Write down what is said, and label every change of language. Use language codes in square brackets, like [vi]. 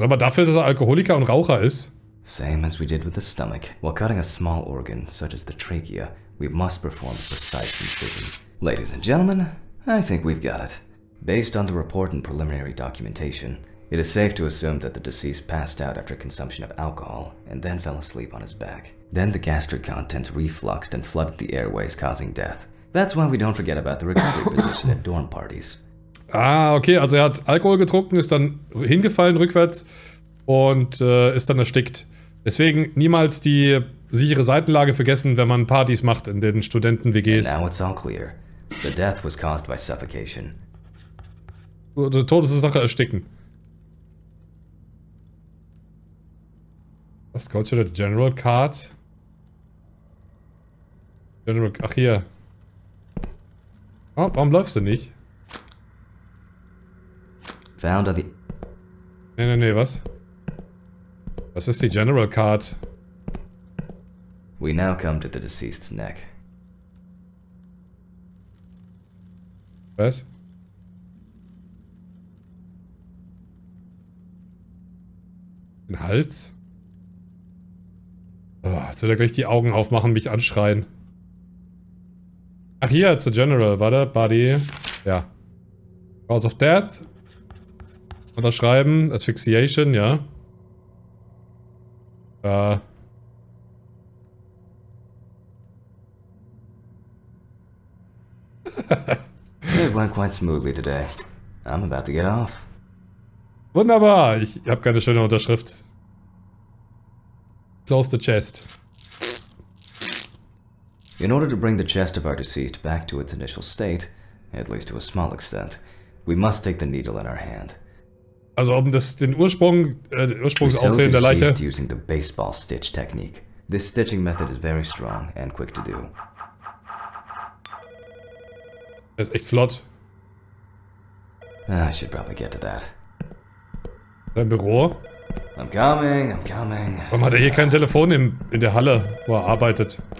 [de] Aber dafür, dass er Alkoholiker und Raucher ist. [en] Same as we did with the stomach. While cutting a small organ, such as the trachea, we must perform a precise incision. Ladies and gentlemen, I think we've got it. Based on the report and preliminary documentation, it is safe to assume that the deceased passed out after consumption of alcohol and then fell asleep on his back. Then the gastric contents refluxed and flooded the airways, causing death. That's why we don't forget about the recovery position at dorm parties. [de] Ah, okay, also er hat Alkohol getrunken, ist dann hingefallen rückwärts und ist dann erstickt. Deswegen niemals die sichere Seitenlage vergessen, wenn man Partys macht in den Studenten-WGs. [en] Now it's all clear. The death was caused by suffocation. [de] Die Todesursache ersticken. [en] Let's go to the general card. [de] General, ach hier. Oh, warum läufst du nicht? [en] Found on the. [de] Nee, nee, nee, was? Was ist die general card? [en] We now come to the deceased's neck. [de] Was? Den Hals? Oh, jetzt wird er gleich die Augen aufmachen, mich anschreien. Ach hier, zu General, warte, Buddy. Ja. [en] Cause of Death. [de] Unterschreiben, Asphyxiation, ja. [en] It went quite smoothly today. I'm about to get off. [de] Wunderbar, ich habe keine schöne Unterschrift. [en] Close the chest. In order to bring the chest of our deceased back to its initial state, at least to a small extent. We must take the needle in our hand. [de] Also um das den Ursprung Ursprungsaussehen der Leiche. [en] Using the baseball stitch technique. This stitching method is very strong and quick to do. [de] Das ist echt flott. [en] I should probably get to that. [de] Sein Büro? [en] I'm coming, I'm coming. [de] Warum hat er hier kein Telefon in der Halle, wo er arbeitet?